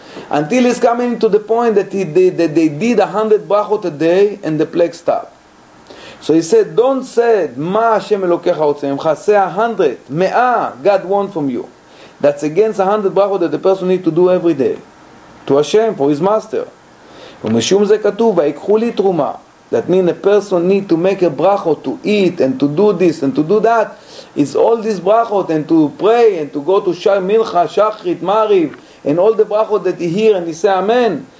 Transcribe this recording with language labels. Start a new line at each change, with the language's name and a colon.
English: Until he's coming to the point that they did 100 brachot a day and the plague stopped. So he said, "Don't say Ma Hashem Elokecha Otzeimcha. Say 100, Me'ah God wants from you." That's against 100 brachot that the person needs to do every day to Hashem for his master.
Hebrew: ומשום זה כתוב, ויקחו לי תרומה.
English: That means a person need to make a brachot to eat and to do this and to do that. It's all these brachot and to pray and to go to Mincha, Shachrit, Mariv, and all the brachot that he hear and he say Amen.